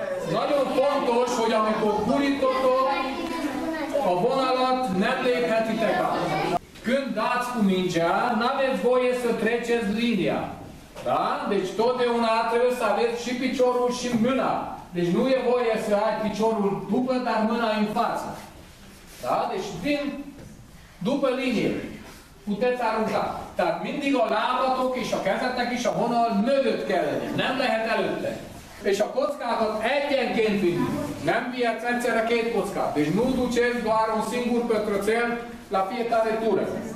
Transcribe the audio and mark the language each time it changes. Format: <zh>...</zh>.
<hu>Nagyon fontos, hogy amikor kurítotok, a vonalat nem léphetitek át.</hu> <ro>Când dați cu mingea, n-aveți voie să treceți linia. Da? Deci totdeauna trebuie să aveți și piciorul și mâna. Deci nu e voie să ai piciorul după, dar mâna în față. Da? Deci vin după linie. Puteți arunca.</ro> <hu>Tehát mindig a lábatok és a kezetek is a vonal mögött kellene, nem lehet előtte. És a kockákat egyenként vinni. Nem vihetsz egyszerre két kockát.</hu> <ro>És nu duceți doar un singur pătrățel la fiecare tură.</ro>